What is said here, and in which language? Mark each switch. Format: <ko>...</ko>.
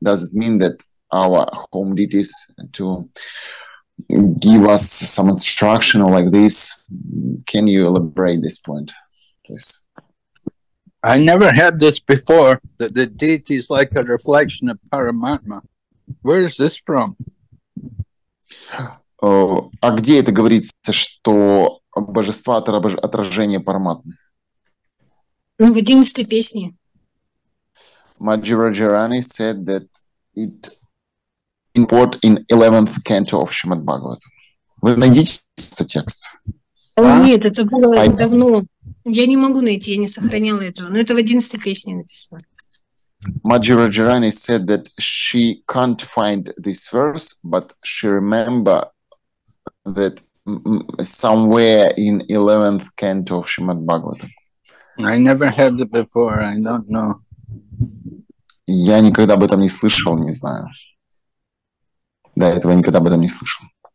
<en>Does it mean that our home deities to give us some instruction or like this? Can you elaborate this point, please? I never had this before, that the deity is like a reflection of Paramatma. Where is this from?</en> <ru>А где это говорится, что божества – это отражение Параматмы? В 11-й песне.</ru> <en>Madhvrajarani said that it import in 11th canto of Srimad Bhagavatam.</en> <ru>Вы найдите этот текст? Нет, это было давно. Я не могу найти, я не сохраняла этого. Но это в 11-й песне написано.</ru> <en>Madhvrajarani said that she can't find this verse, but she remember that somewhere in 11th canto of Srimad Bhagavatam. I never heard it before, I don't know.</en> <ru>Я никогда об этом не слышал, не знаю. До этого никогда об этом не слышал.</ru>